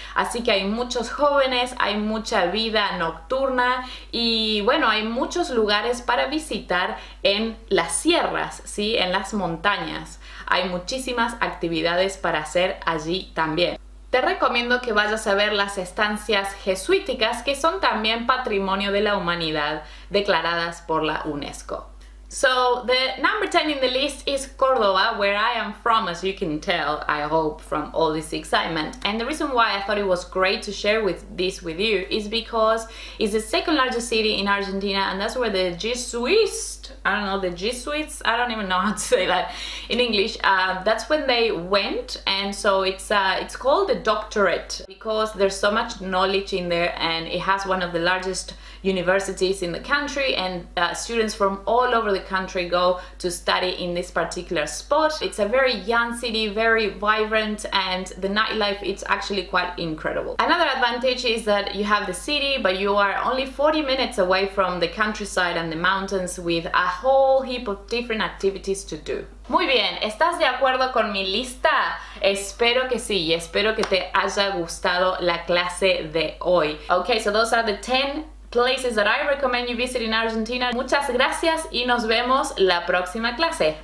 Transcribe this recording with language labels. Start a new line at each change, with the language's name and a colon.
Spanish: Así que hay muchos jóvenes, hay mucha vida nocturna y, bueno, hay muchos lugares para visitar en las sierras, ¿sí? En las montañas. Hay muchísimas actividades para hacer allí también. te recomiendo que vayas a ver las estancias jesuíticas, que son también Patrimonio de la Humanidad, declaradas por la UNESCO.
English: So, the number 10 in the list is Córdoba, where I am from, as you can tell, I hope, from all this excitement. And the reason why I thought it was great to share with this with you is because it's the second largest city in Argentina, and that's where the Jesuits, I don't even know how to say that in English, that's when they went. And so it's called the doctorate because there's so much knowledge in there, and it has one of the largest universities in the country, and students from all over the country go to study in this particular spot. It's a very young city, very vibrant, and the nightlife, it's actually quite incredible. Another advantage is that you have the city, but you are only 40 minutes away from the countryside and the mountains with a whole heap of different activities to do.
Spanish: Muy bien, ¿estás de acuerdo con mi lista? Espero que sí, y espero que te haya gustado la clase de hoy.
English: Okay, so those are the 10 places that I recommend you visit in Argentina.
Spanish: Muchas gracias y nos vemos la próxima clase.